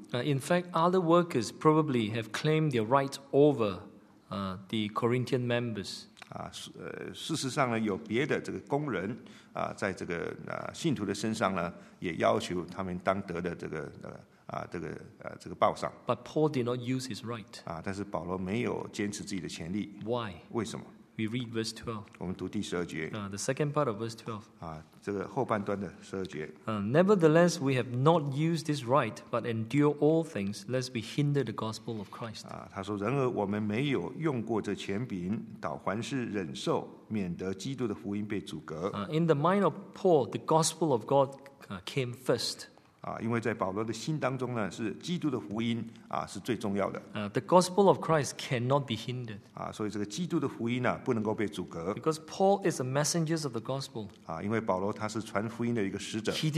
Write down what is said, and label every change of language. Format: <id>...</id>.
<en>In fact, other workers probably have claimed their rights over the Corinthian members.</en> <zh>事实上呢，有别的这个工人在这个信徒的身上呢，也要求他们当得的这个这个报赏。</zh> <en>But Paul did not use his right.</en> <zh>但是保罗没有坚持自己的权利。</zh> <en>Why?</en> <zh>为什么？</zh> <en>We read verse 12.</en> <zh>我们读第十二节。</zh> <en>The second part of verse 12.</en> <zh>这个后半段的十二节。</zh> <en>Nevertheless, we have not used this right, but endure all things, lest we hinder the gospel of Christ.</en> <zh>他说，然而我们没有用过这权柄，倒还是忍受，免得基督的福音被阻隔。</zh> <en>In the mind of Paul, the gospel of God came first.</en> <zh>因为在保罗的心当中呢，是基督的福音是最重要的。</zh> <en>The gospel of Christ cannot be hindered.</en> <zh>所以这个基督的福音不能够被阻隔。</zh> <en>Because Paul is a messenger of the gospel.</en> <zh>因为保罗他是传福音的一个使者。</zh>